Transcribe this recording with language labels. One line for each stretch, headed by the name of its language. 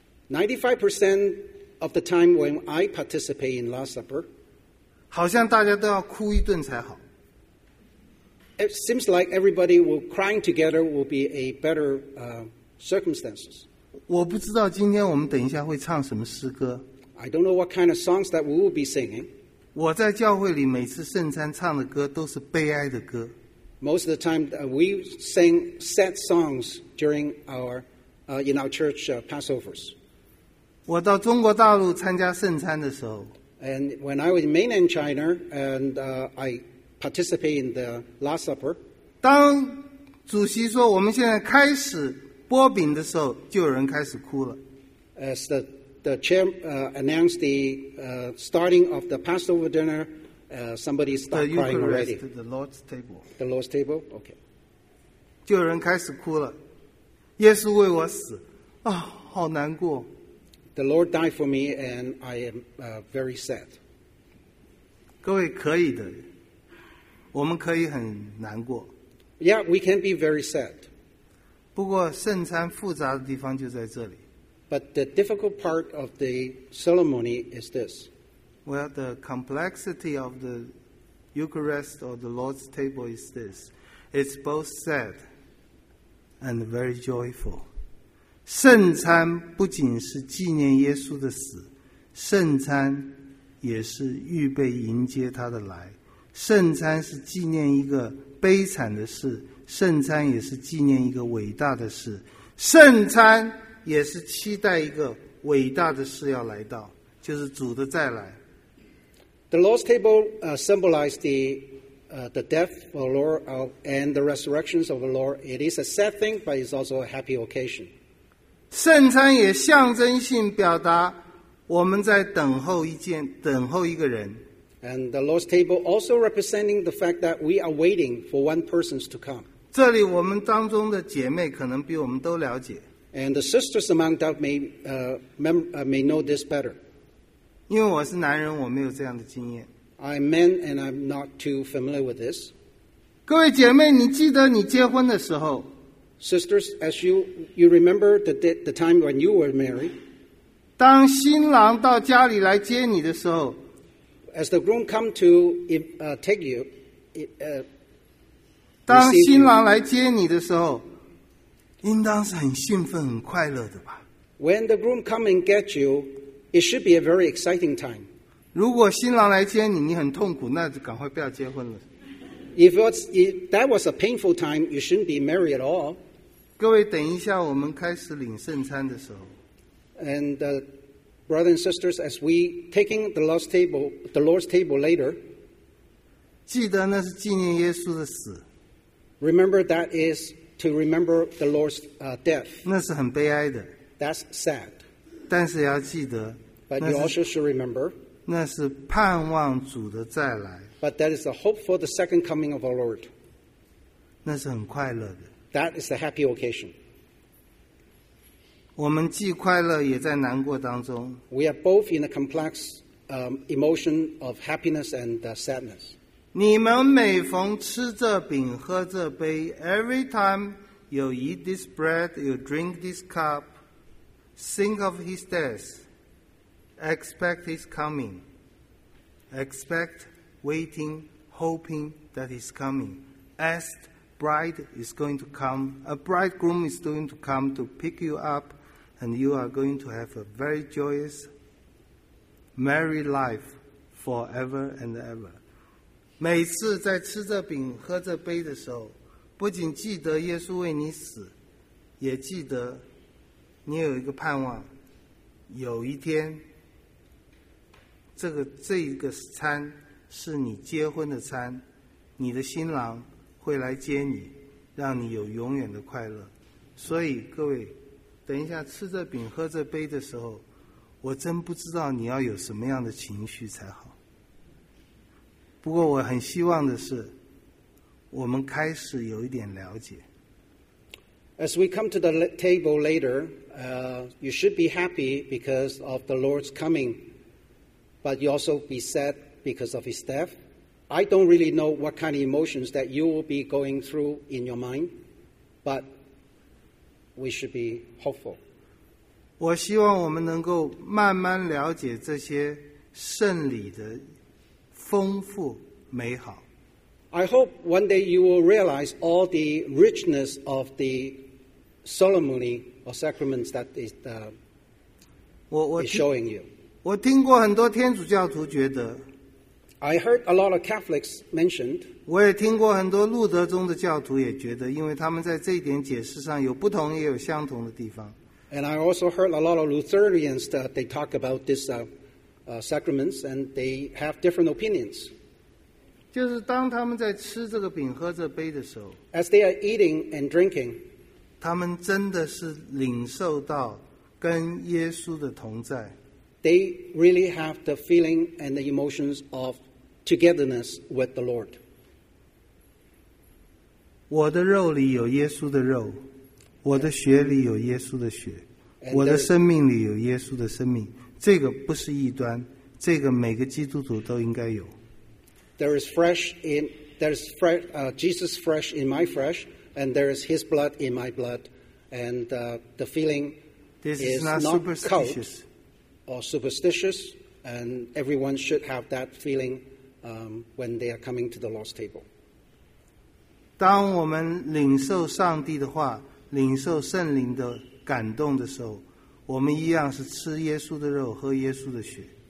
English: 95% of the time when I participate in Last Supper,
Chinese: 好像大家都要哭一顿才好。
English: It seems like everybody will crying together will be a better circumstances.
Chinese: 我不知道今天我们等一下会唱什么诗歌。
English: I don't know what kind of songs that we will be singing.
Chinese: 我在教会里每次圣餐唱的歌都是悲哀的歌。
English: Most of the time we sing sad songs during our church Passovers.
Chinese: 我到中国大陆参加圣餐的时候。
English: And when I was in mainland China and I participate in the Last Supper.
Chinese: 当主席说我们现在开始拨饼的时候就有人开始哭了。
English: As the chair announced the starting of the Passover dinner, somebody started crying already. The Lord's table. The Lord's table, okay.
Chinese: 就有人开始哭了。耶稣为我死。啊，好难过。
English: The Lord died for me and I am very sad.
Chinese: 各位可以的。我们可以很难过。
English: Yeah, we can be very sad.
Chinese: 不过圣餐复杂的地方就在这里。
English: But the difficult part of the ceremony is this. Well, the complexity of the Eucharist or the Lord's table is this. It's both sad and very joyful.
Chinese: 圣餐不仅是纪念耶稣的死，圣餐也是预备迎接他的来。圣餐是纪念一个悲惨的事，圣餐也是纪念一个伟大的事，圣餐也是期待一个伟大的事要来到，就是主的再来。
English: The Lord's table symbolizes the death of the Lord and the resurrection of the Lord. It is a sad thing, but it's also a happy occasion.
Chinese: 圣餐也象征性表达我们在等候一个人。
English: And the Lord's table also representing the fact that we are waiting for one person to come.
Chinese: 这里我们当中的姐妹可能比我们都了解。
English: And the sisters among them may know this better.
Chinese: 因为我是男人，我没有这样的经验。
English: I'm man and I'm not too familiar with this.
Chinese: 各位姐妹，你记得你结婚的时候
English: ？Sisters, as you remember the time when you were married.
Chinese: 当新郎到家里来接你的时候
English: ，As the groom come to take you,
Chinese: 当新郎来接你的时候。应当是很兴奋、很快乐的吧。
English: When the groom come and get you, it should be a very exciting time.
Chinese: 如果新郎来接你，你很痛苦，那就赶快不要结婚了。
English: If that was a painful time, you shouldn't be married at all.
Chinese: 各位，等一下，我们开始领圣餐的时候。
English: And brothers and sisters, as we taking the Lord's table later,
Chinese: 记得那是纪念耶稣的死。
English: Remember that is. To remember the Lord's death.
Chinese: 那是很悲哀的。
English: That's sad.
Chinese: 但是要记得。
English: But you also should remember.
Chinese: 那是盼望主的再来。
English: But that is a hope for the second coming of our Lord.
Chinese: 那是很快乐的。
English: That is a happy occasion.
Chinese: 我们既快乐也在难过当中。
English: We are both in a complex emotion of happiness and sadness.
Chinese: 你们每逢吃这饼喝这杯
English: every time you eat this bread, you drink this cup, think of his death, expect his coming, expect waiting, hoping that he's coming, as bride is going to come, a bridegroom is going to come to pick you up, and you are going to have a very joyous, merry life forever and ever.
Chinese: 每次在吃这饼喝这杯的时候不仅记得耶稣为你死也记得你有一个盼望有一天这个餐是你结婚的餐你的新郎会来接你让你有永远的快乐所以各位等一下吃这饼喝这杯的时候我真不知道你要有什么样的情绪才好不过我很希望的是我们开始有一点了解
English: As we come to the table later you should be happy because of the Lord's coming but you also be sad because of his death I don't really know what kind of emotions that you will be going through in your mind but we should be hopeful.
Chinese: 我希望我们能够慢慢了解这些圣礼的丰富美好。
English: I hope one day you will realize all the richness of the ceremony or sacraments that is showing you.
Chinese: 我听过很多天主教徒觉得。
English: I heard a lot of Catholics mentioned.
Chinese: 我也听过很多路德宗的教徒也觉得，因为他们在这一点解释上有不同也有相同的地方。
English: And I also heard a lot of Lutherans that they talk about this sacraments and they have different opinions.
Chinese: 就是当他们在吃这个饼喝这杯的时候，
English: As they are eating and drinking,
Chinese: 他们真的是领受到跟耶稣的同在。
English: They really have the feeling and the emotions of togetherness with the Lord.
Chinese: 我的肉里有耶稣的肉，我的血里有耶稣的血，我的生命里有耶稣的生命。这个不是异端，这个每个基督徒都应该有。
English: There is fresh in Jesus fresh in my flesh, and there is His blood in my blood, and the feeling is not superstitious. Or superstitious, and everyone should have that feeling when they are coming to the Lord's table.
Chinese: 当我们领受上帝的话，领受圣灵的感动的时候，我们一样是吃耶稣的肉，喝耶稣的血。